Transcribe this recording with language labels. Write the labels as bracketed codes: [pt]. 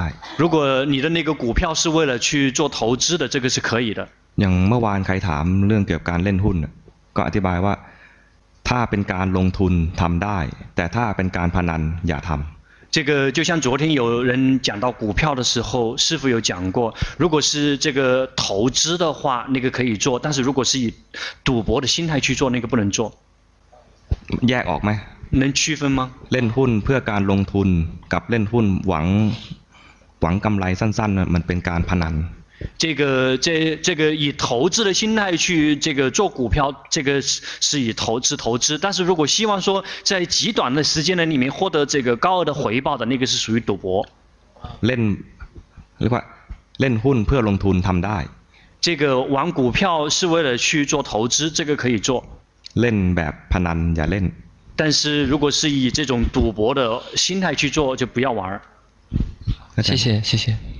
[zh] 如果你的那个股票是为了去做投资的这个是可以的 [th] อย่างเมื่อวานใครถามเรื่องเกี่ยวกับการเล่นหุ้นก็อธิบายว่าถ้าเป็นการลงทุนทำได้แต่ถ้าเป็นการพนันอย่าทำ [zh] 这个就像昨天有人讲到股票的时候师傅有讲过如果是这个投资的话那个可以做但是如果是以赌博的心态去做那个不能做 [th] แยกออกไหม [zh] 能区分吗 [th] เล่นหุ้นเพื่อการลงทุนกับเล่นหุ้นหวังกำไรสั้นๆมันเป็นการพนัน [zh] 这个这个以投资的心态去这个做股票，这个是以投资。但是如果希望说在极短的时间里面获得这个高额的回报的，那个是属于赌博。 [th] เล่นเรียกว่าเล่นหุ้นเพื่อลงทุนทำได้。 [zh] 这个玩股票是为了去做投资，这个可以做。 [th] เล่นแบบพนันอย่าเล่น。 [zh] 但是如果是以这种赌博的心态去做，就不要玩。谢谢谢谢。